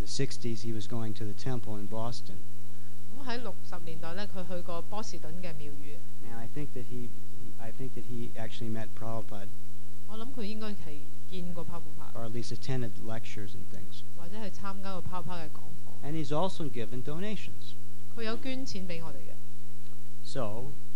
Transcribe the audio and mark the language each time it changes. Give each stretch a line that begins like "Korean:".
English: the 60s, he was going to the temple in Boston.
Cantonese: 喺60年代咧，佢去過波士頓嘅廟宇。
English: And I think that he actually met Prabhupada.
Cantonese: 我諗佢應該係見過 Prabhupada.
English: Or at least attended lectures and things.
Cantonese: 或者係參加過 Prabhupada嘅講課。
English: And he's also given donations.
Cantonese: 佢有捐錢俾我哋嘅。
English: So,